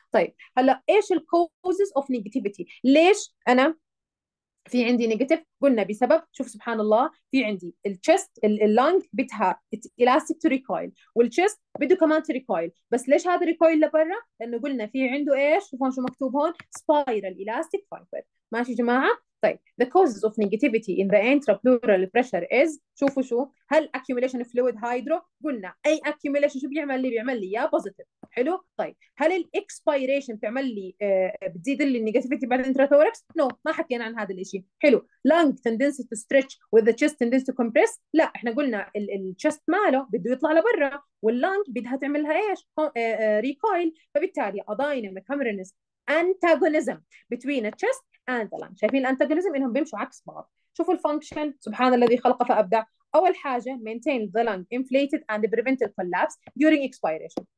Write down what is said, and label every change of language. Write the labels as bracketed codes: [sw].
[ar] طيب هلا ايش الكوزز اوف نيجاتيفيتي؟ ليش انا في عندي نيجاتيف؟ قلنا بسبب، شوف سبحان الله، في عندي التشست اللانج بتها الاستيك تو ريكويل، والتشست بده كمان تو ريكويل، بس ليش هذا ريكويل لبرا؟ لانه قلنا في عنده ايش؟ شوفوا شو مكتوب هون، سبايرال الاستيك فايبر، ماشي يا جماعه. [en] طيب the causes of negativity in the intrapleural pressure is، [ar] شوفوا شو، هل [en] accumulation of fluid hydro؟ قلنا اي accumulation [ar] شو بيعمل لي؟ بيعمل لي يا [en] positive، حلو. [ar] طيب هل ال expiration بتعمل لي بتزيد لي negativity بعد intrathorax؟ نو no، ما حكينا عن هذا الاشي، حلو. [en] lung tendency to stretch with the chest tendency to compress؟ [ar] لا، احنا قلنا ال [en] chest [ar] ماله بده يطلع لبرا، واللانج بدها تعملها ايش؟ [en] recoil. فبالتالي a dynamic harmonious antagonism between a chest and the lung. [ar] شايفين الانتاجونيزم انهم بيمشوا عكس بعض. شوفوا الفانكشن، سبحان الذي خلق فابدع. اول حاجه [en] maintain the lung inflated and prevent the collapse during expiration.